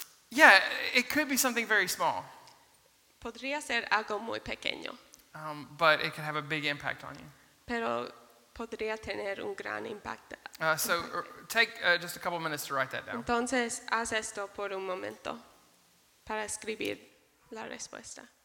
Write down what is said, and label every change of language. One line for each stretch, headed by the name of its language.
English: Yeah, it could be something very small.
Spanish: Podría ser algo muy pequeño.
English: But it could have a big impact on you.
Spanish: Pero podría tener un gran impacto.
English: So take just a couple minutes to write that down.
Spanish: Entonces, haz esto por un momento para escribir la respuesta.